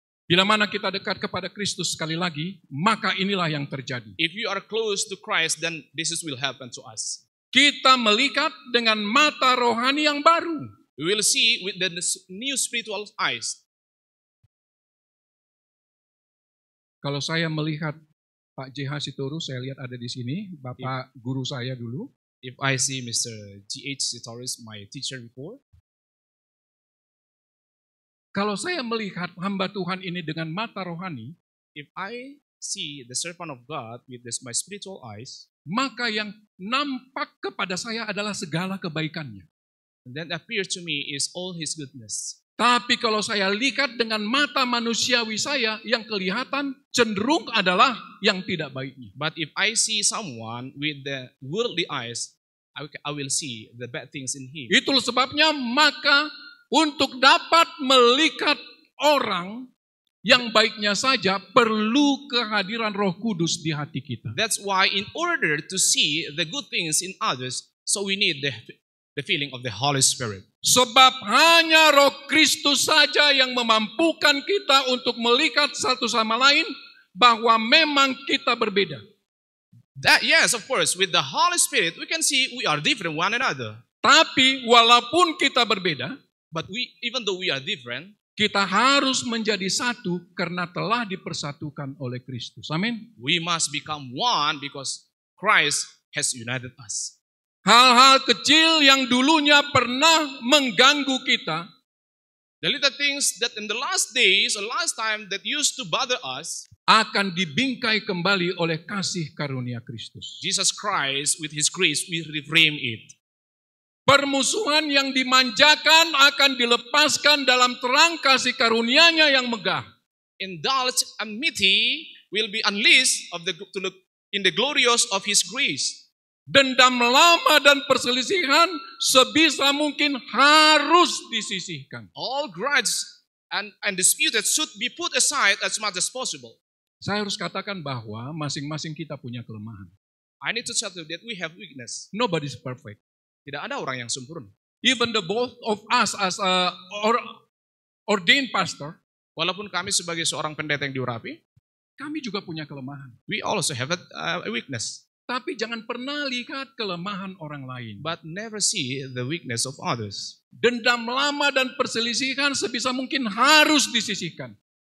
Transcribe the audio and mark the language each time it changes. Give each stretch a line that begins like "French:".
Indonesian: Bila mana kita dekat kepada Kristus sekali lagi, maka inilah yang terjadi.
English: If you are close to Christ, then this is will happen to us.
Indonesian: Kita melihat dengan mata rohani yang baru.
English: We will see with the new spiritual eyes.
Indonesian: Kalau saya melihat Pak J.H. Sitoru, saya lihat ada di sini, Bapak guru saya dulu.
English: If I see Mr. G.H. Sitoru, my teacher before.
Indonesian: Kalau saya melihat hamba Tuhan ini dengan mata rohani,
English: if I see the servant of God with this my spiritual eyes,
Indonesian: maka yang nampak kepada saya adalah segala kebaikannya.
English: And that appears to me is all his goodness.
Indonesian: Tapi kalau saya lihat dengan mata manusiawi saya, yang kelihatan cenderung adalah yang tidak baiknya.
English: But if I see someone with the worldly eyes, I will see the bad things in him.
Indonesian: Itulah sebabnya maka untuk dapat melihat orang yang baiknya saja perlu kehadiran Roh Kudus di hati kita.
English: That's why in order to see the good things in others, so we need the feeling of the Holy Spirit.
Indonesian: Sebab hanya Roh Kristus saja yang memampukan kita untuk melihat satu sama lain bahwa memang kita berbeda.
English: That, yes, of course, with the Holy Spirit we can see we are different one another.
Indonesian: Tapi walaupun kita berbeda,
English: but we even though we are different,
Indonesian: kita harus menjadi satu karena telah dipersatukan oleh Kristus. Amin.
English: We must become one because Christ has united us.
Indonesian: Hal-hal kecil yang dulunya pernah mengganggu kita,
English: the little things that in the last days, the last time that used to bother us,
Indonesian: akan dibingkai kembali oleh kasih karunia Kristus.
English: Jesus Christ with his grace will reframe it.
Indonesian: Permusuhan yang dimanjakan akan dilepaskan dalam terang kasih karunia-Nya yang megah.
English: Indulge enmity will be unleashed of the in the glorious of His grace.
Indonesian: Dendam lama dan perselisihan sebisa mungkin harus disisihkan.
English: All grudges and disputes should be put aside as much as possible.
Indonesian: Saya harus katakan bahwa masing-masing kita punya kelemahan.
English: I need to tell you that we have weakness. Nobody is perfect.
Indonesian: Tidak ada orang yang sempurna.
English: Even the both of us as a ordained pastor,
Indonesian: walaupun kami sebagai seorang pendeta yang diurapi, kami juga punya kelemahan.
English: We also have a weakness.
Indonesian: Tapi jangan pernah lihat kelemahan orang lain.
English: But never see the weakness of others.
Indonesian: Dendam lama dan perselisihan sebisa mungkin harus disisihkan.